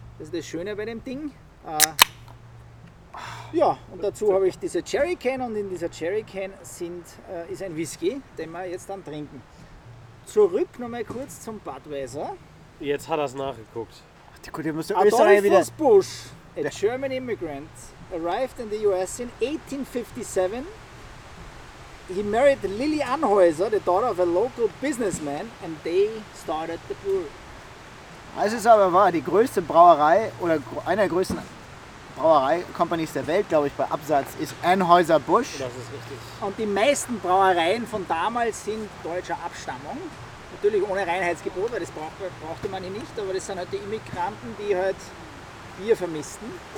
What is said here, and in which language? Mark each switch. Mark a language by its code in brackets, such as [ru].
[de] Das ist das Schöne bei dem Ding. Ja, und dazu habe ich diese Jerry Can und in dieser Jerry Can ist ein Whisky, den wir jetzt dann trinken. Zurück nochmal kurz zum Budweiser. Jetzt hat er es nachgeguckt. Ach, der Kollege muss ja Österreich wieder. [en] Adolphus Busch, a German immigrant, arrived in the US in 1857. He married Lily Anhäuser, the daughter of a local businessman, and they started the brewery. [de] Es ist aber wahr, die größte Brauerei oder einer der größten Brauerei-Companies der Welt, glaube ich, bei Absatz, ist Anheuser-Busch. Das ist richtig. Und die meisten Brauereien von damals sind deutscher Abstammung. Natürlich ohne Reinheitsgebot, weil das brauchte man hier nicht, aber das sind halt die Immigranten, die halt Bier vermissten.